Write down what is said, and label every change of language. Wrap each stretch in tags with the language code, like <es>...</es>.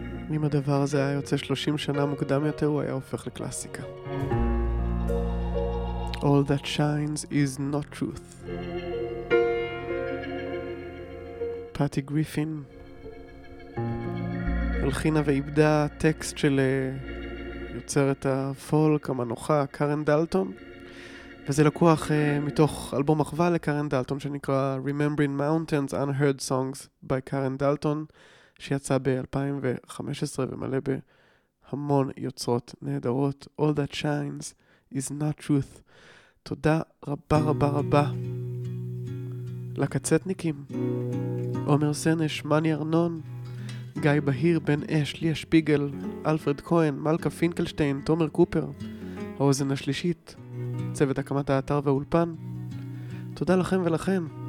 <he>אם הדבר הזה היה יוצא 30 שנה מוקדם יותר, הוא היה הופך לקלאסיקה.</he> <en>All that shines is not truth.</en> <he>פאטי גריפין הלחינה ואיבדה טקסט של יוצרת הפולק המנוחה קארן דלטון, וזה לקוח מתוך אלבום אחווה לקארן דלטון שנקרא Remembering Mountains Unheard Songs by קארן דלטון, שיצא ב-2015 ומלא בהמון יוצרות נהדרות.</he> <en>All that shines is not truth.</en> <he>תודה רבה רבה רבה לקצטניקים, עומר סנש, מני ארנון, גיא בהיר, בן אש, ליה שפיגל, אלפרד כהן, מלכה פינקלשטיין, תומר קופר, האוזן השלישית, צוות הקמת האתר והאולפן. תודה לכם ולכן.</he>